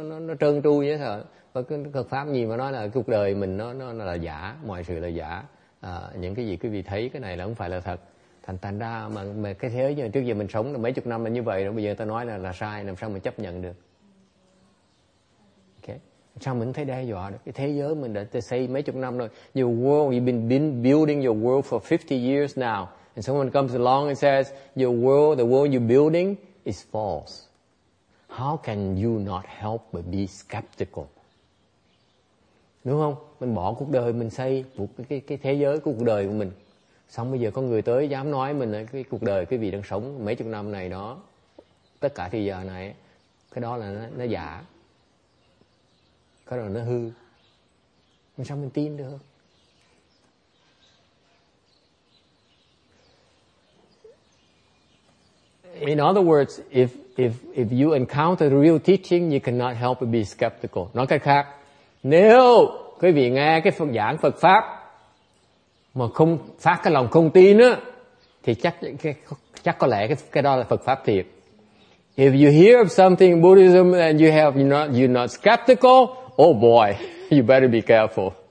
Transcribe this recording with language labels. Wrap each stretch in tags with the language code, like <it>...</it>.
<vi>Nó trơn tru vậy sao? Phật pháp gì mà nói là cuộc đời mình nó là giả, mọi sự là giả. À, những cái gì quý vị thấy cái này là không phải là thật. Thành ra mà cái thế giới trước giờ mình sống là mấy chục năm là như vậy rồi, bây giờ ta nói là sai, làm sao mình chấp nhận được? Okay. Sao mình thấy đe dọa được? Cái thế giới mình đã xây mấy chục năm rồi.</vi> <en>Your world, you've been building your world for 50 years now. And someone comes along and says, your world, the world you're building is false. How can you not help but be skeptical?</en> <vi>Đúng không? Mình bỏ cuộc đời mình xây cái thế giới của cuộc đời của mình. Xong bây giờ có người tới dám nói mình cái cuộc đời quý vị đang sống mấy chục năm này đó, tất cả thời giờ này, cái đó là nó giả. Cái đó là nó hư. Mình sao mình tin được?</vi> <en>In other words, if you encounter the real teaching, you cannot help but be skeptical.</en> <vi>Nói cách khác, nếu quý vị nghe cái phần giảng Phật pháp mà không phát cái lòng không tin á, thì chắc có lẽ cái đó là Phật pháp thiệt.</vi> <en>If you hear of something in Buddhism and you're not skeptical, oh boy, you better be careful.</en>